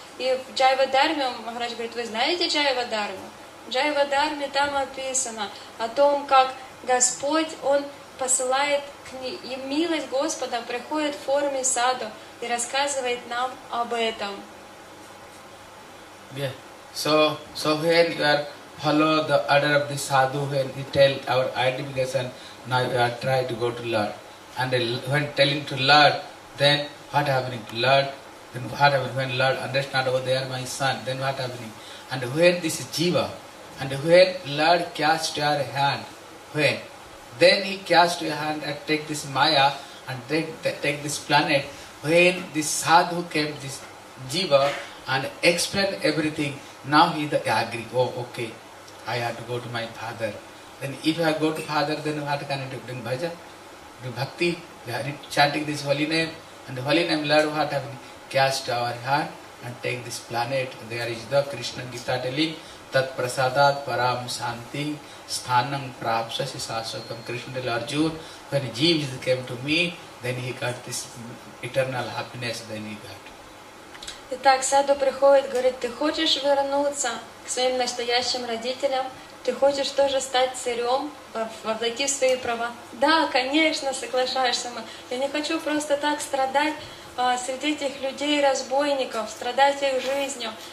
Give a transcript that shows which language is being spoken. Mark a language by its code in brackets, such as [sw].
[ru] И в Джайва-дарме, Махарадж говорит, вы знаете Джайва-дарму? В Джайва-дарме там описано о том, как Господь, Он посылает к ним, и милость Господа приходит в форме саду и рассказывает нам об этом. [en] Yeah. So when you are follow the order of the sadhu, when he tell our identification, now you are trying to go to Lord. And when telling to Lord, then what happening? Lord, then what happening? When Lord understand, oh, they are my son, then what happening? And when this is jiva, and when Lord cast your hand, when? Then he cast your hand and take this Maya and take this planet. When this sadhu came, this jiva, and explain everything, now he agree, oh okay, I have to go to my father. Then if I go to father, then what can I do? Then bhajan, do bhakti, chanting this holy name, and the holy name Lord, what happened? Cast our hand and take this planet. There is the Krishna Gita telling, [sa] tat prasadat param shanti sthanam prapsasi sasvatam. [en] Krishna telling Arjuna, when Jeeves came to me, then he got this eternal happiness, then he got. [ru] Итак, Саду приходит, говорит, ты хочешь вернуться к своим настоящим родителям? Ты хочешь тоже стать царем, воплотив свои права? Да, конечно, соглашаешься. Я не хочу просто так страдать среди этих людей, разбойников, страдать их жизнью.